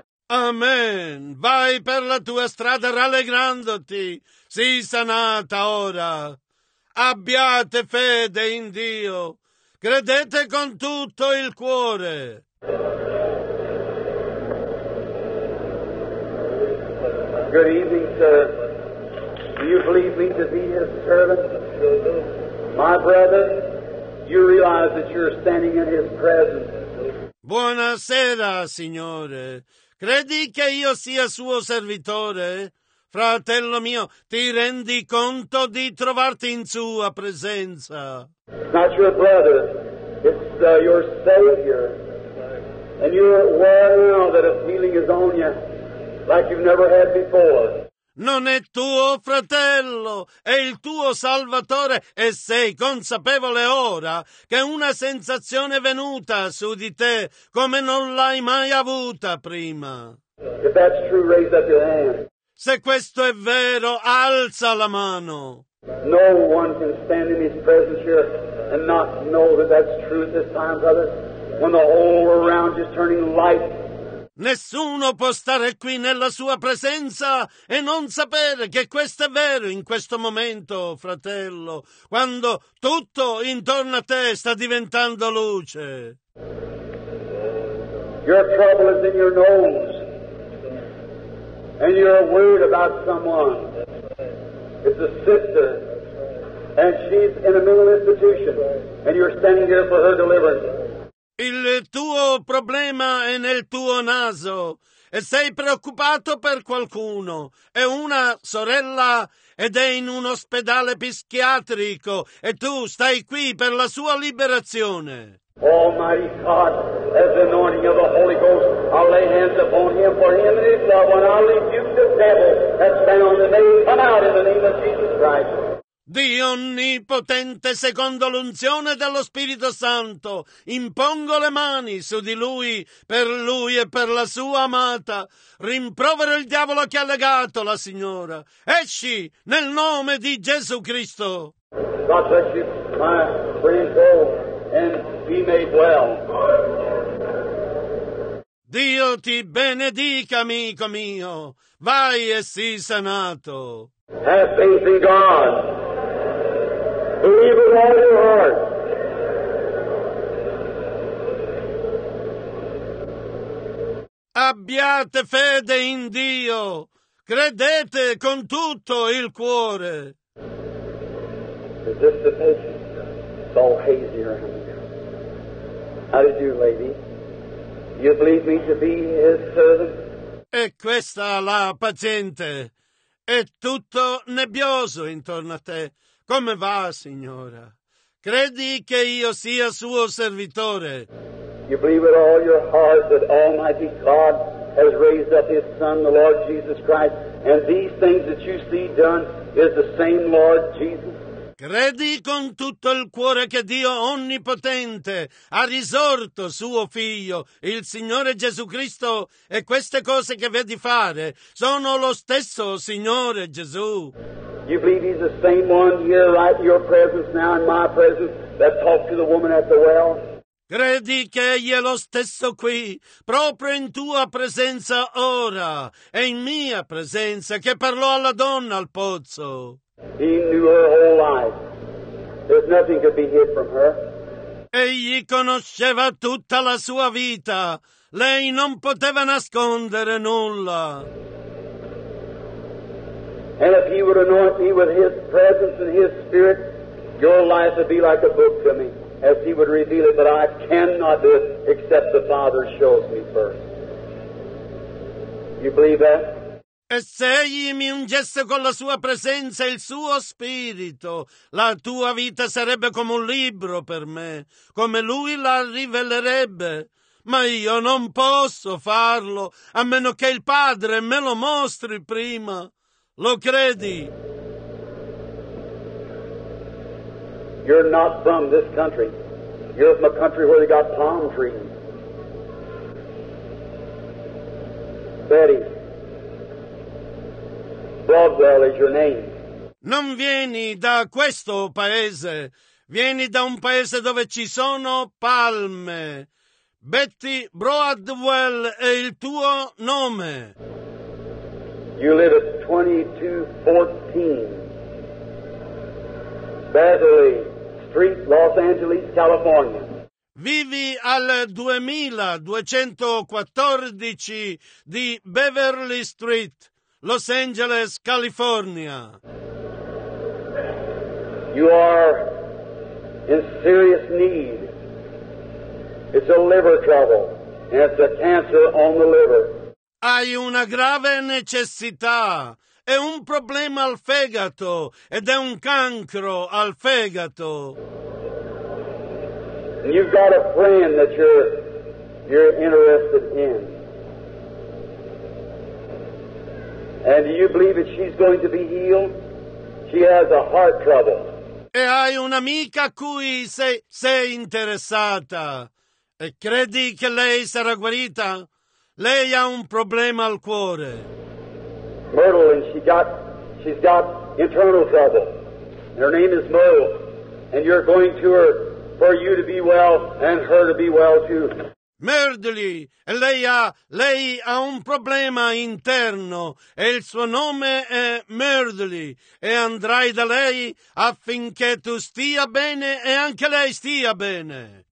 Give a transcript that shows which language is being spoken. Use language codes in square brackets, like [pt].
[it] Amen. Vai per la tua strada rallegrandoti. Sii sanata ora. Abbiate fede in Dio. Credete con tutto il cuore. [en] Good evening, sir. Do you believe me to be his servant? My brother, you realize that you're standing in his presence. [it] Buonasera, signore. Credi che io sia suo servitore? Fratello mio, ti rendi conto di trovarti in sua presenza? [en] Not your brother, it's your savior. And you're aware now that a feeling is on you like you've never had before. [it] Non è tuo fratello, è il tuo salvatore e sei consapevole ora che una sensazione è venuta su di te come non l'hai mai avuta prima. [en] If that's true, raise up your hand. [it] Se questo è vero, alza la mano. [en] No one can stand in his presence here and not know that that's true at this time, brother, when the whole around is turning light. [it] Nessuno può stare qui nella sua presenza e non sapere che questo è vero in questo momento, fratello, quando tutto intorno a te sta diventando luce. [en] Your trouble is in your nose and you're worried about someone. It's a sister and she's in a mental institution and you're standing here for her deliverance. [it] Il tuo problema è nel tuo naso e sei preoccupato per qualcuno. È una sorella ed è in un ospedale psichiatrico e tu stai qui per la sua liberazione. [en] Almighty God, as the anointing of the Holy Ghost, I'll lay hands upon him for him and his love when I'll rebuke the devil that's been on the name. Come out in the name of Jesus Christ. [it] Dio onnipotente, secondo l'unzione dello Spirito Santo, impongo le mani su di lui e per la sua amata. Rimprovero il diavolo che ha legato la signora. Esci nel nome di Gesù Cristo. [en] God bless you, my friend, go and be made well. [it] Dio ti benedica, amico mio. Vai e sii sanato. [en] Have faith in God. Believe with all your heart. [it] abbiate fede in Dio, credete con tutto il cuore. [en] Is this the patient? It's all hazy around here. How do you, lady? You believe me to be his servant? [it] È questa la paziente. È tutto nebbioso intorno a te. Come va, signora? Credi che io sia suo servitore? [en] You believe with all your heart that Almighty God has raised up his Son, the Lord Jesus Christ, and these things that you see done is the same Lord Jesus? [it] Credi con tutto il cuore che Dio Onnipotente ha risorto suo Figlio, il Signore Gesù Cristo, e queste cose che vedi fare sono lo stesso Signore Gesù. [en] You believe he's the same one here, right in your presence now, in my presence, that talked to the woman at the well? [it] Credi che egli è lo stesso qui, proprio in tua presenza ora, e in mia presenza, che parlò alla donna al pozzo? [en] He knew her whole life. There's nothing could be hid from her. [it] Egli conosceva tutta la sua vita. Lei non poteva nascondere nulla. [en] And if he would anoint me with his presence and his spirit, your life would be like a book to me, as he would reveal it. But I cannot do it except the Father shows me first. You believe that? [it] E se egli mi ungesse con la sua presenza e il suo spirito, la tua vita sarebbe come un libro per me, come lui la rivelerebbe. Ma io non posso farlo, a meno che il Padre me lo mostri prima. Lo credi? [en] You're not from this country. You're from a country where they got palm trees. Betty. Broadwell is your name. [it] Non vieni da questo paese. Vieni da un paese dove ci sono palme. Betty Broadwell è il tuo nome. [en] You live at 2214 Beverly Street, Los Angeles, California. [it] Vivi al 2214 di Beverly Street, Los Angeles, California. [en] You are in serious need. It's a liver trouble, and it's a cancer on the liver. [it] Hai una grave necessità. È un problema al fegato, ed è un cancro al fegato. [en] And you've got a friend that you're interested in. And do you believe that she's going to be healed? She has a heart trouble. [it] E hai un'amica a cui sei interessata. E credi che lei sarà guarita? Lei ha un problema al cuore. [en] Myrtle, and she's got internal trouble. Her name is Myrtle. And you're going to her for you to be well and her to be well too. [it] Merdley, e lei ha un problema interno, e il suo nome è Merdley, e andrai da lei affinché tu stia bene e anche lei stia bene.